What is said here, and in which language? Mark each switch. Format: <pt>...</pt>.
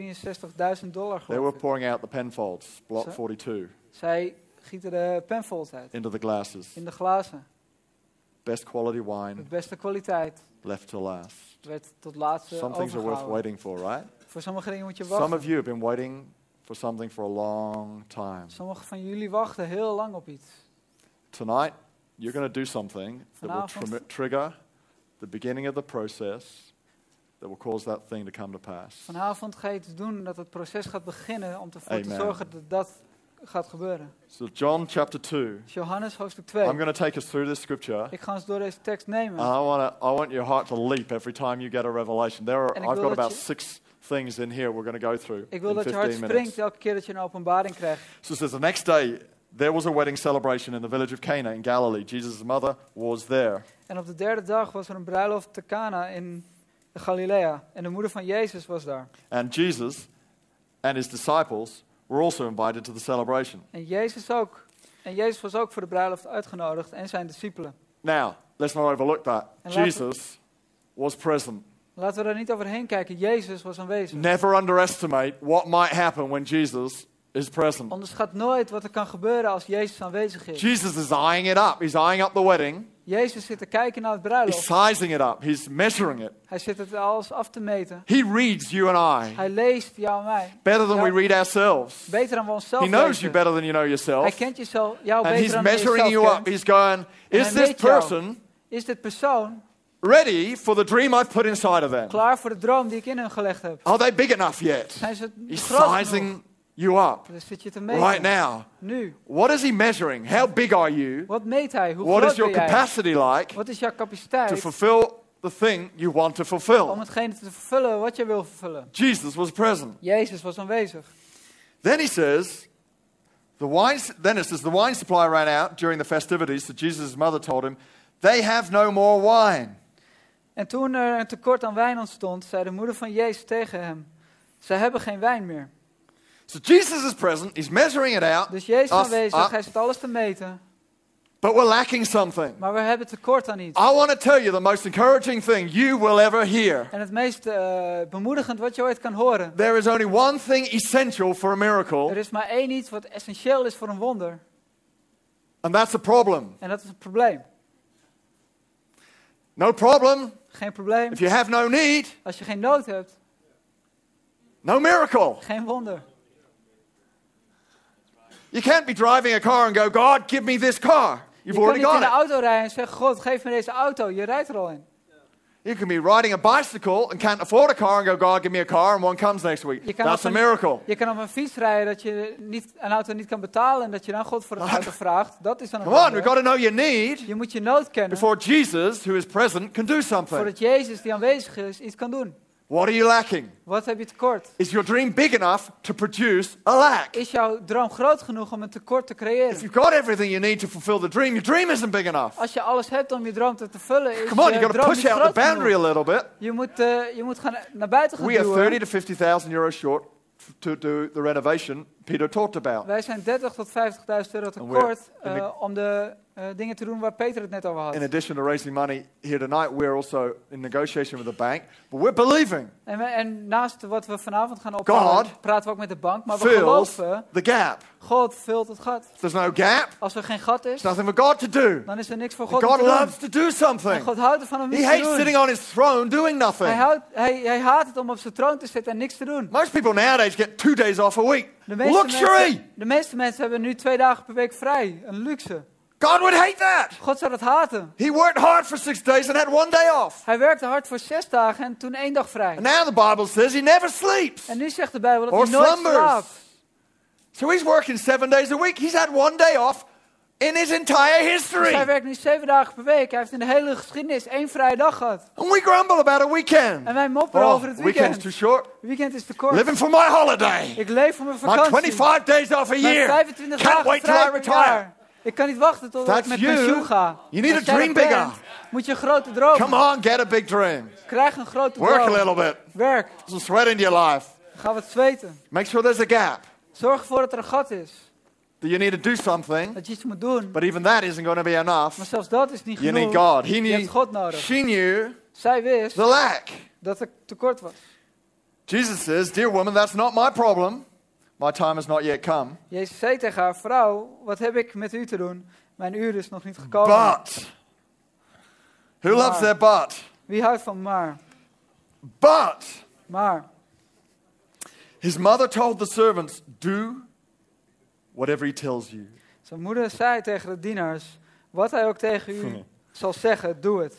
<en>$163,000. They were pouring out the Penfolds, Block 42.</en> <nl>Zij gieten de Penfolds uit.</nl> <en>Into the glasses.</en> <nl>In de glazen.</nl> <en>Best quality wine.</en> <nl>De beste kwaliteit.</nl> <en>Left to last.</en> <nl>Werd tot laatste overgehouden.</nl> <en>Some things are worth waiting for, right?</en> <nl>Voor sommige dingen moet je wachten.</nl> <en>Some of you have been waiting for something for a long time.</en> <nl>Sommige van jullie wachten heel lang op iets.</nl> <en>Tonight. You're going to do something that will trigger the beginning of the process that will cause that thing to come to pass.</en> <nl>Vanavond ga je iets doen dat het proces gaat beginnen om te zorgen dat dat gaat gebeuren.</nl> <en>So John chapter 2.</en> <nl>Johannes hoofdstuk 2.</nl> <en>I'm going to take us through this scripture.</en> <nl>Ik ga ons door deze tekst nemen.</nl> <en>And I want your heart to leap every time you get a revelation. I've got about six things in here we're going to go through.</en> <nl>Ik wil dat je hart springt elke keer dat je een openbaring krijgt.</nl> <en>So it says the next day there was a wedding celebration in the village of Cana in Galilee. Jesus' mother was there.</en> <nl>En op de derde dag was er een bruiloft te Cana in Galilea. En de moeder van Jezus was daar.</nl> <en>And Jesus and his disciples were also invited to the celebration.</en> <nl>En Jezus was ook voor de bruiloft uitgenodigd en zijn discipelen.</nl> <en>Now, let's not overlook that. Jesus was present.</en> <nl>Laten we daar niet overheen kijken. Jezus was aanwezig.</nl> <en>Never underestimate what might happen when Jesus is present.</en> <nl>Onderschat nooit wat er kan gebeuren als Jezus aanwezig is.</nl> <en>Jesus is eyeing it up. He's eyeing up the wedding.</en> <nl>Jezus zit te kijken naar het bruiloft.</nl> <en>He's sizing it up. He's measuring it.</en> <nl>Hij zit het alles af te meten.</nl> <en>He reads you and I.</en> <nl>Hij leest jou en mij.</nl> <en>Better than we read ourselves.</en> <nl>Beter dan we onszelf.</nl> <en>He knows</en> <nl>lezen.</nl> <en>You better than you know yourself.</en> <nl>Hij kent jezelf, jou</nl> <en>and</en> <nl>beter dan</nl> <en>And he's</en> <nl>dan</nl> <en>measuring you up.</en> <nl>Kent.</nl> <en>He's going, is this person?</en> <nl>Is dit persoon?</nl> <en>Ready for the dream I've put inside of them.</en> <nl>Klaar voor de droom die ik in hen gelegd heb.</nl> <en>Are they big enough yet?</en> <nl>Zijn ze</nl> <en>he's</en> <nl>groot</nl> <en>sizing</en> <nl>genoeg?</nl> <en>You up right now.</en> <nl>Nu.</nl> <en>What is he measuring? How big are you?</en> <nl>Wat meet hij? Hoe</nl> <en>what is your capacity</en> <nl>jij?</nl> <en>Like?</en> <nl>Wat is jouw capaciteit?</nl> <en>To fulfill the thing you want to fulfill.</en> <nl>Om hetgeen te vervullen wat je wil vervullen.</nl> <en>Jesus was present.</en> <nl>Jezus was aanwezig.</nl> <en>Then he says, the wine supply ran out during the festivities. So Jesus' mother told him, they have no more wine.</en> <nl>En toen er een tekort aan wijn ontstond, zei de moeder van Jezus tegen hem, ze hebben geen wijn meer.</nl> <en>So Jesus is present, he's measuring it out.</en> <nl>Dus Jezus aanwezig, hij zit alles te meten.</nl> <en>But we're lacking something.</en> <nl>Maar we hebben tekort aan iets.</nl> <en>I want to tell you the most encouraging thing you will ever hear.</en> <nl>En het meest bemoedigend wat je ooit kan horen.</nl> <en>There is only one thing essential for a miracle.</en> <nl>Er is maar één iets wat essentieel is voor een wonder.</nl> <en>And that's a problem.</en> <nl>En dat is een probleem.</nl> <en>No problem.</en> <nl>Geen probleem.</nl> <en>If you have no need.</en> <nl>Als je geen nood hebt.</nl> <en>No miracle.</en> <nl>Geen wonder.</nl> <en>You can't be driving a car and go, God, give me this car. You've already got it.</en> <nl>Je kan niet in de auto rijden en zeggen, God, geef me deze auto. Je rijdt er al in.</nl> <en>You can be riding a bicycle and can't afford a car and go, God, give me a car and one comes next week. That's a miracle.</en> <nl>Je kan op een fiets rijden dat je niet een auto niet kan betalen en dat je dan God voor een auto vraagt. Dat is dan een</nl> <en>come on, we've got to know your need.</en> <nl>Je moet je nood kennen.</nl> <en>Before Jesus, who is present, can do something.</en> <nl>Voordat Jezus die aanwezig is, iets kan doen.</nl> <en>What are you lacking?</en> <nl>Wat heb je tekort?</nl> <en>Is your dream big enough to produce a lack?</en> <nl>Is jouw droom groot genoeg om een tekort te creëren?</nl> <en>If you've got everything you need to fulfill the dream, your dream isn't big enough.</en> <nl>Als je alles hebt om je droom te vervullen, is</nl> <en>Come on, you've got to push out the boundary</en> <nl>genoeg.</nl> <en>A little bit.</en> <nl>Je moet gaan naar buiten gaan</nl> <en>We are 30,000 to 50,000 euros short to do the renovation Peter talked about.</en> <nl>Wij zijn 30,000</nl> <en>to</en> <nl>50,000 euros tekort om de dingen te doen waar Peter het net over had.</nl> <en>In addition to raising money here tonight, we're also in negotiation with the bank, but we're believing.</en> <nl>En naast wat we vanavond gaan ophalen, praten we ook met de bank, maar we geloven.</nl> <en>The gap.</en> <nl>God vult het gat.</nl> <en>There's no gap.</en> <nl>Als er geen gat is,</nl> <en>nothing for God to do.</en> <nl>Dan is er niks voor God God te doen.</nl> <en>God loves to do something.</en> <nl>En God houdt ervan om</nl> <en>He</en> <nl>iets</nl> <en>hates</en> <nl>te doen.</nl> <en>Sitting on His throne doing nothing.</en> <nl>Hij haat het om op zijn troon te zitten en niks te doen.</nl> <en>Most people nowadays get 2 days off a week.</en> <nl>De meeste mensen hebben nu 2 dagen per week vrij, een luxe.</nl> <en>God would hate that.</en> <nl>God zou dat haten.</nl> <en>He worked hard for 6 days and had 1 day off.</en> <nl>Hij werkte hard voor 6 dagen en toen 1 dag vrij.</nl> <en>And now the Bible says he never sleeps.</en> <nl>En nu zegt de Bijbel dat hij nooit slaapt.</nl> <en>So he's working 7 days a week. He's had 1 day off in his entire history.</en> <nl>Dus hij werkt nu 7 dagen per week. Hij heeft in de hele geschiedenis 1 vrije dag gehad.</nl> <en>And we grumble about a weekend.</en> <nl>En wij mopperen over het weekend.</nl> <en>Weekend's too short.</en> <nl>Weekend is te kort.</nl> <en>Living for my holiday.</en> <nl>Ik leef voor mijn vakantie.</nl> <en>My 25 days off a year.</en> <nl>Mijn 25 dagen</nl> <en>Can't wait till I retire.</en> <nl>Ik kan niet wachten tot</nl> <en>That's</en> <nl>ik met pensioen ga.</nl> <en>You need a dream bigger.</en> <nl>Moet je een grote droom.</nl> <en>Come on, get a big dream.</en> <nl>Krijg een grote</nl> <en>Work</en> <nl>droom.</nl> <en>A little bit.</en> <nl>Werk.</nl> <en>Some sweat into your life.</en> <nl>Ga wat zweten.</nl> <en>Make sure there's a gap.</en> <nl>Zorg ervoor dat er een gat is.</nl> <en>That you need to do something.</en> <nl>Dat je iets moet doen.</nl> <en>But even that isn't going to be enough.</en> <nl>Maar zelfs dat is niet genoeg.</nl> <en>You need God.</en> <nl>Je hebt God nodig.</nl> <en>She knew.</en> <nl>Zij wist.</nl> <en>The lack.</en> <nl>Dat er tekort was.</nl> <en>Jesus says, dear woman, that's not my problem. My time has not yet come.</en> <nl>Jezus zei tegen haar, vrouw, wat heb ik met u te doen? Mijn uur is nog niet gekomen.</nl> <en>But. Who</en> <nl>maar.</nl> <en>Loves their but?</en> <nl>Wie houdt van maar?</nl> <en>But.</en> <nl>Maar.</nl> <en>His mother told the servants, do whatever he tells you.</en> <nl>Zijn moeder zei tegen de dienaars, wat hij ook tegen u zal zeggen, doe het.</nl>